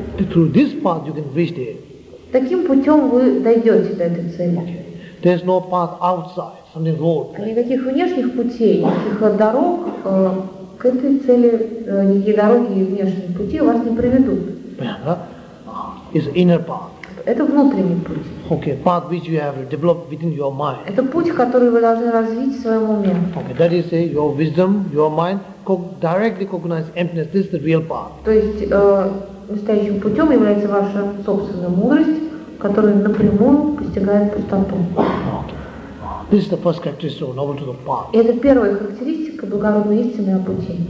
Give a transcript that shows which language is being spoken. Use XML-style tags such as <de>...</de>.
<en>Through this path you can reach there.</en> <ru>Таким путем вы дойдете до этой цели.</ru> <en>Okay. There's no path outside, something wrong.</en> <ru>Никаких внешних путей, никаких дорог к этой цели никакие дороги и внешние пути вас не приведут. Понятно?</ru> <en>Is inner path.</en> <ru>Это внутренний путь.</ru> <en>Okay, path which you have developed within your mind.</en> <ru>Это путь, который вы должны развить в своем уме.</ru> <en>Okay, that is your wisdom, your mind directly recognize emptiness. This is the real path.</en> <ru>То есть настоящим путем является ваша собственная мудрость, которая напрямую постигает пустоту.</ru> <en>This is the first characteristic of noble truth of path.</en> <ru>Это первая характеристика благородной истины о пути.</ru>